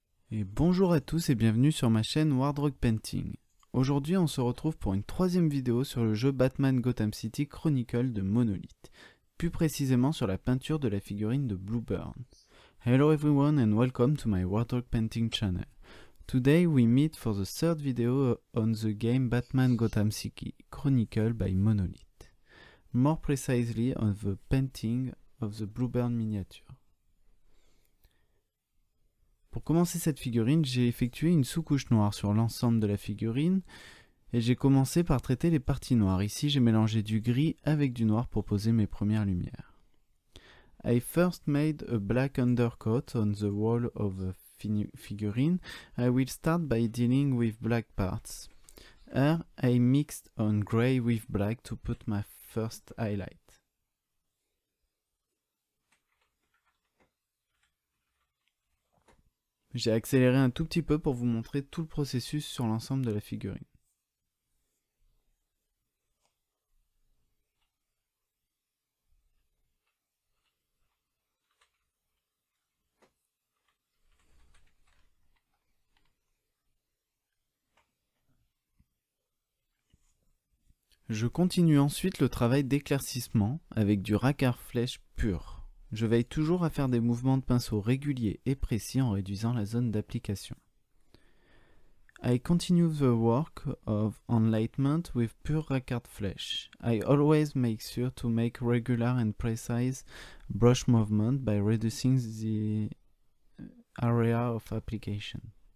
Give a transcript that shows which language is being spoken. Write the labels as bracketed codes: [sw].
[fr] Bonjour à tous et bienvenue sur ma chaîne Wardrock Painting. Aujourd'hui, on se retrouve pour une troisième vidéo sur le jeu Batman Gotham City Chronicle de Monolith, plus précisément sur la peinture de la figurine de Blue Burn. [en] Hello everyone and welcome to my Wardrock Painting channel. Today we meet for the third video on the game Batman Gotham City Chronicle by Monolith. More precisely on the painting of the Blue Burn miniature. [fr] Pour commencer cette figurine, j'ai effectué une sous-couche noire sur l'ensemble de la figurine et j'ai commencé par traiter les parties noires. Ici, j'ai mélangé du gris avec du noir pour poser mes premières lumières. [en] I first made a black undercoat on the wall of the figurine. I will start by dealing with black parts. Here, I mixed on gray with black to put my first highlight. [fr] J'ai accéléré un tout petit peu pour vous montrer tout le processus sur l'ensemble de la figurine. Je continue ensuite le travail d'éclaircissement avec du racard flèche pur. Je veille toujours à faire des mouvements de pinceau réguliers et précis en réduisant la zone d'application. [en] I continue the work of enlightenment with pure racard flesh. I always make sure to make regular and precise brush movement by reducing the area of application.